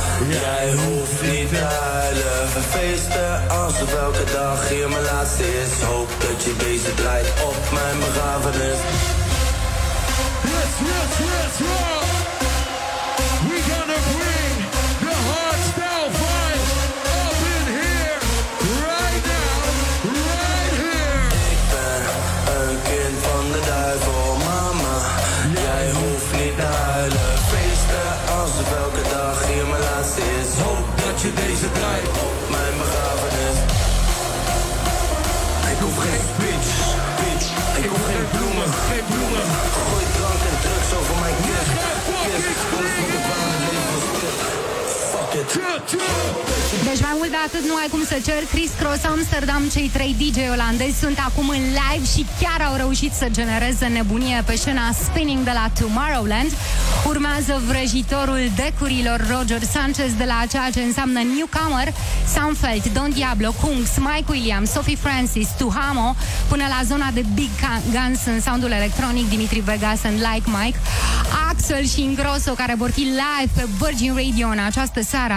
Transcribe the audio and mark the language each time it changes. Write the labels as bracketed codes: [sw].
[nl] Jij hoeft niet te huilen. We feesten alsof elke dag hier mijn laatste is. Hoop dat je deze draait op mijn begrafenis. [en] Yes, yes, yes, yes. We gonna bring the hardstyle vibe up in here. Right now, right here. [nl] Ik ben een kind van de duivel, mama. Jij hoeft niet te huilen. Op elke dag hier mijn laatste is. Hoop dat je deze draait op mijn begrafenis. Ik hoef geen bitch, bitch. Ik hoef geen bloemen, geen bloemen. Gooi drank en drugs over mijn kist. [ro] Deci mai mult de atât nu ai cum să cer. Chris Cross Amsterdam, cei trei DJ olandezi sunt acum în live și chiar au reușit să genereze nebunie pe scena Spinning de la Tomorrowland. Urmează vrăjitorul decurilor Roger Sanchez de la ceea ce înseamnă Newcomer, Sunfelt, Don Diablo, Kungs, Mike Williams, Sophie Francis, Tuhamo, până la zona de Big Guns în soundul electronic, Dimitri Vegas and Like Mike, Axel și Ingrosso, care vor fi live pe Virgin Radio în această seară.